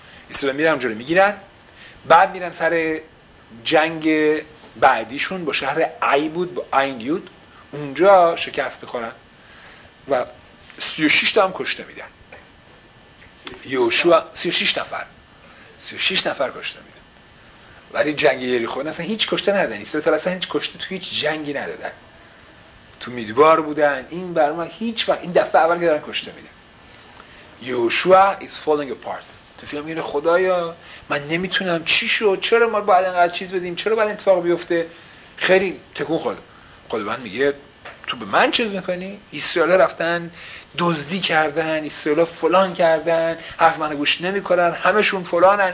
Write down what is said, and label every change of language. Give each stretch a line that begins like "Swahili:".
Persian: اسرائیل میرن اونجا رو میگیرن، بعد میرن سر جنگ بعدیشون با شهر عی بود، با عین یود، اونجا شکست بخورن و 36 تا هم کشته میدن. یوشوع 36 نفر کشته میدن. ولی جنگ یریخو اصلا هیچ کشته ندادن. اسرائیل اصلا هیچ کشته تو هیچ جنگی ندادن. تو میدبار بودن. این برما هیچ وقت این دفعه اول که دارن کشته میدن.
English: یوشوع is falling apart.
Persian: تو فیلم میگه خدایا من نمیتونم، چی شد؟ چرا ما باید اینقدر چیز بدیم؟ چرا باید اتفاق بیفته؟ خیلی تکون خورد. خداوند میگه تو به من چیز میکنی؟ اسرائیل‌ها رفتن دزدی کردن، اسرائیل‌ها فلان کردن، حرف منو گوش نمی‌کنن، همشون فلانن.